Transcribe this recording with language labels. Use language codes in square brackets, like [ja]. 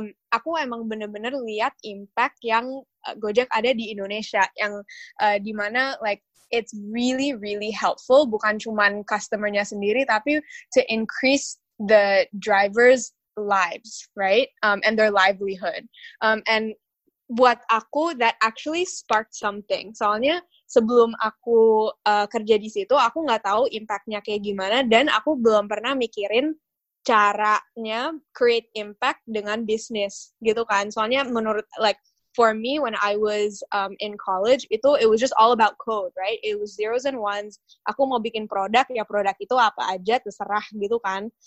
[id] Aku emang bener-bener lihat impact yang Gojek ada di Indonesia, yang dimana [en] like it's really really helpful, [id] bukan cuman customer-nya sendiri tapi [en] to increase the drivers' lives, right, and their livelihood. And [id] buat aku [en] that actually sparked something. [id] Soalnya sebelum aku kerja di situ, aku nggak tahu impact-nya kayak gimana, dan aku belum pernah mikirin caranya [en] create impact [id] dengan bisnis, gitu kan. Soalnya menurut, [en] like, for me, when I was in college, itu it was just all about code, right? It was zeros and ones. [id] Aku mau bikin produk, ya produk itu apa aja, terserah, gitu kan.